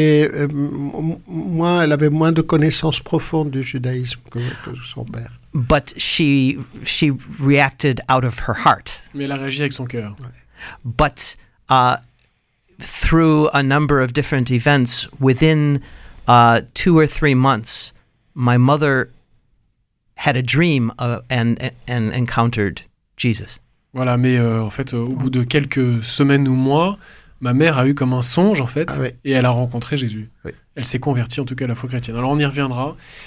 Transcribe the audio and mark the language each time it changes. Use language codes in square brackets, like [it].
[fr] Elle avait moins de connaissances profondes du judaïsme que son père. [en] But she reacted out of her heart. [fr] Mais elle a réagi avec son cœur. Ouais. [en] But through a number of different events, within 2 or 3 months, my mother had a dream and encountered Jesus. [fr] Voilà, mais en fait, au bout de quelques semaines ou mois, ma mère a eu comme un songe, en fait, et elle a rencontré Jésus. Oui. Elle s'est convertie, en tout cas, à la foi chrétienne. Alors, on y reviendra.